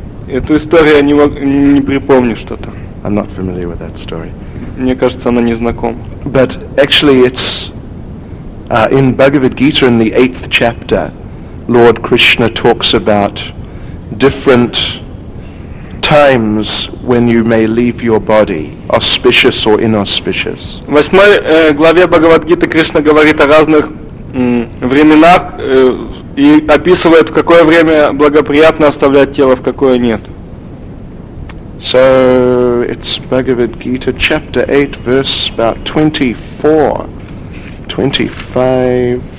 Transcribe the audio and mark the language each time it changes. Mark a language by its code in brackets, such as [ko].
[ru] Эту историю я не припомню что-то. [en] I'm not familiar with that story. [ru] Мне кажется, она незнакома. [en] But actually it's in Bhagavad Gita in the 8th chapter, Lord Krishna talks about different times when you may leave your body, auspicious or inauspicious. [ru] В 8 главе Бхагавад-гиты Кришна говорит о разных временах и описывает, в какое время благоприятно оставлять тело, в какое нет. [en] So it's Bhagavad Gita chapter 8 verse about 24 and 25.